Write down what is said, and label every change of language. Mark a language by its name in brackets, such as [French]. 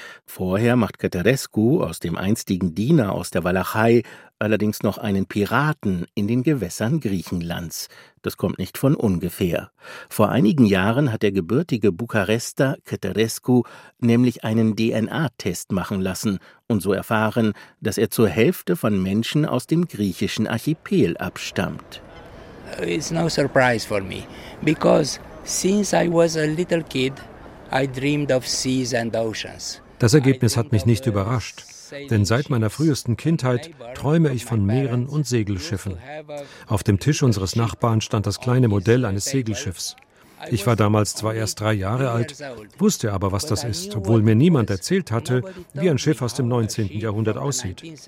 [German] Vorher macht Ceterescu aus dem einstigen Diener aus der Walachei allerdings noch einen Piraten in den Gewässern Griechenlands. Das kommt nicht von ungefähr. Vor einigen Jahren hat der gebürtige Bukarester Ceterescu nämlich einen DNA-Test machen lassen und so erfahren, dass er zur Hälfte von Menschen aus dem griechischen Archipel abstammt. [English] It's no surprise for me, because since I was a little kid, I dreamed of seas and oceans. [German] Das Ergebnis hat mich nicht überrascht, denn seit meiner frühesten Kindheit träume ich von Meeren und Segelschiffen. Auf dem Tisch unseres Nachbarn stand das kleine Modell eines Segelschiffs. Ich war damals zwar erst 3 Jahre alt, wusste aber, was das ist, obwohl mir niemand erzählt hatte, wie ein Schiff aus dem 19. Jahrhundert aussieht.